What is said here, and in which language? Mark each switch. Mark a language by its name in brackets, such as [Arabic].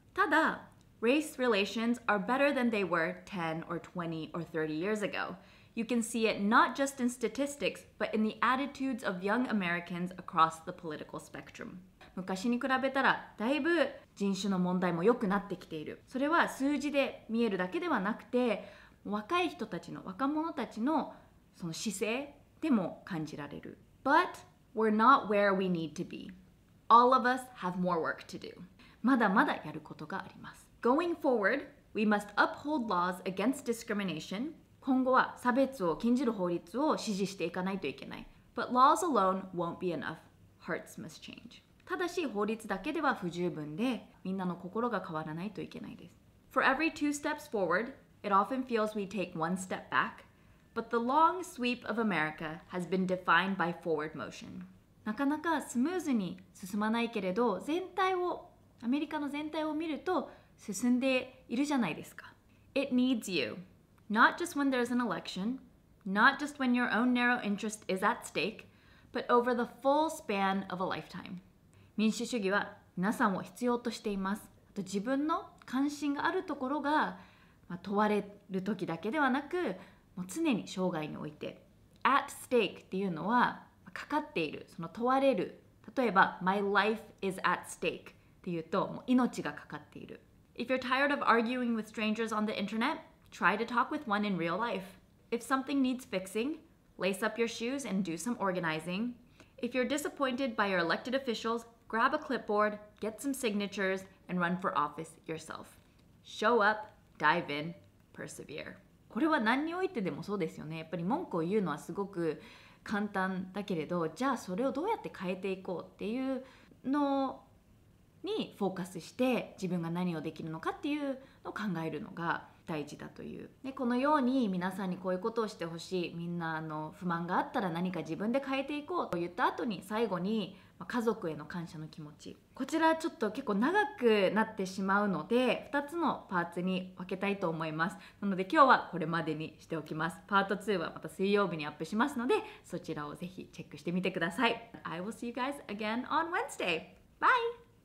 [English] ただ race relations are better than they were 10 or 20 or 30 years agoYou can see it not just in statistics, but in the attitudes of young Americans across the political spectrum. [Japanese] 昔に比べたらだいぶ人種の問題も良くなってきている。それは数字で見えるだけではなくて、若い人たちの、若者たちのその姿勢でも感じられる。 [English] But we're not where we need to be. All of us have more work to do. [Japanese] まだまだやることがあります。 [English] Going forward, we must uphold laws against discrimination. [Japanese] 今後は差別を禁じる法律を支持していかないといけない。 [English] But laws alone won't be enough. Hearts must change. [Japanese] ただし法律だけでは不十分で、みんなの心が変わらないといけないです。 [English] For every two steps forward, it often feels we take one step back. But the long sweep of America has been defined by forward motion. [Japanese] なかなかスムーズに進まないけれど、全体を、アメリカの全体を見ると進んでいるじゃないですか。 [English] It needs you. Not just when there's an election, not just when your own narrow interest is at stake, but over the full span of a lifetime. [Japanese] 民主主義は皆さんを必要としています。あと自分の関心があるところが問われる時だけではなく、もう常に生涯において。 At stake っていうのはかかっている、その問われる。例えば、 [English] My life is at stake [Japanese] っていうと、もう命がかかっている。 [English] If you're tired of arguing with strangers on the internet,Try to talk with one in real life. If something needs fixing, lace up your shoes and do some organizing. If you're disappointed by your elected officials, grab a clipboard, get some signatures, and run for office yourself. Show up, dive in, persevere. [Japanese] これは何においてでもそうですよね。やっぱり文句を言うのはすごく簡単だけれど、じゃあそれをどうやって変えていこうっていうのにフォーカスして、自分が何をできるのかっていうのを考えるのが大事だという。で、このように皆さんにこういうことをしてほしい、みんなの不満があったら何か自分で変えていこうと言った後に、最後に家族への感謝の気持ち。こちらちょっと結構長くなってしまうので、2つのパーツに分けたいと思います。なので今日はこれまでにしておきます。パート2はまた水曜日にアップしますので、そちらをぜひチェックしてみてください。 [English] I will see you guys again on Wednesday. Bye!